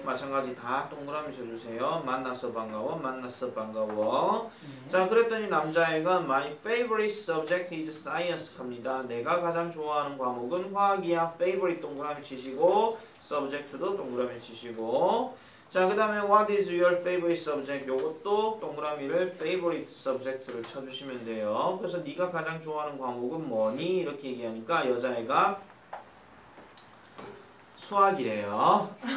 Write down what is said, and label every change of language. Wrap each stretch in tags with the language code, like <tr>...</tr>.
<ko>마찬가지 다 동그라미 쳐주세요. 만나서 반가워. 만나서 반가워.</ko> <en>자,</en> <ko>그랬더니 남자애가</ko> <en>my favorite subject is science</en> <ko>합니다. 내가 가장 좋아하는 과목은 화학이야. favorite 동그라미 치시고 subject도 동그라미 치시고. 자, 그 다음에</ko> <en>what is your favorite subject?</en> <ko>요것도 동그라미를</ko> <en>favorite subject</en> <ko>를 쳐주시면 돼요. 그래서 네가 가장 좋아하는 과목은 뭐니? 이렇게 얘기하니까 여자애가 수학이래요.</ko>